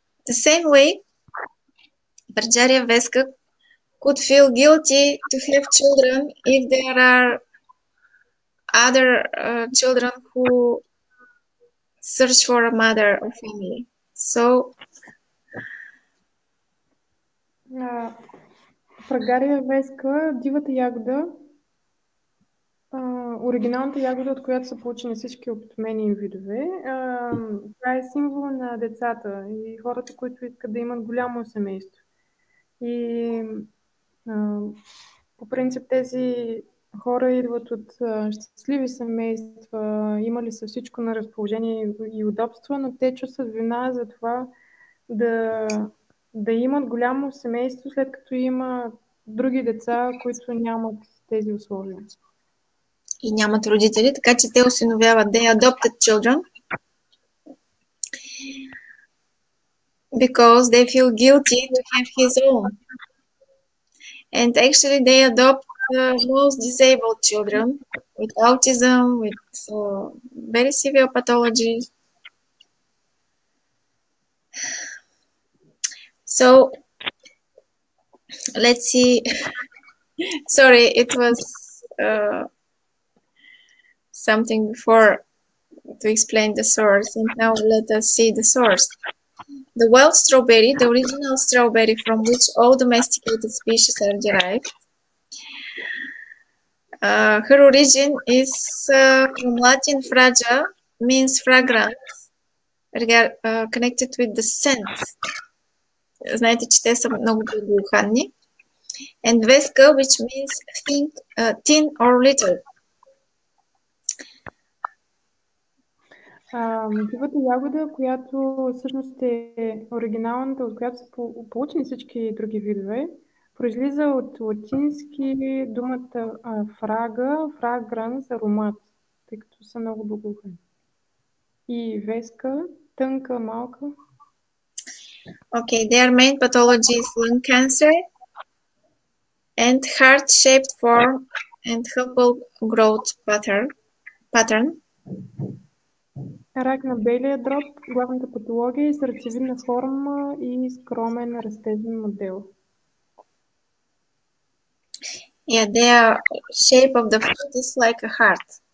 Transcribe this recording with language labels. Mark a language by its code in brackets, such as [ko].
[en] The same way, Bergeria Vesca could feel guilty to have children if there are other children who search for a mother or family. So, [bg] Прагария веска, дивата ягода, оригиналната ягода, от която са получени всички оптомени видове, това е символ на децата и хората, които искат да имат голямо семейство. И по принцип тези хора идват от щастливи семейства, имали са всичко на разположение и удобства, но те чувстват вина за това да имат голямо семейство, след като има други деца, които нямат тези условия. И нямат родители, така че те осиновяват. [en] They adopted children because they feel guilty to have his own. And actually they adopt most disabled children with autism, with very severe pathology. So, let's see. Sorry, it was something before to explain the source, and now let us see the source. The wild strawberry, the original strawberry from which all domesticated species are derived, her origin is from Latin fragia, means fragrant, connected with the scent. [bg] Знаете, че те са много благоуханни. [en] And Vesca, which means think, thin or little. [bg] Дивата ягода, която всъщност е оригиналната, от която са получени всички други видове, произлиза от латински думата фрага, fragrans, аромат, тъй като са много благоухани. И Vesca, тънка, малка. [en] Okay, their main pathology is lung cancer and heart-shaped form and humble growth pattern. [bg] Рак на белия дроб, главната патология е сърцевидна форма и скромен растежен модел. [en] Yeah, the shape of the fruit is like a heart.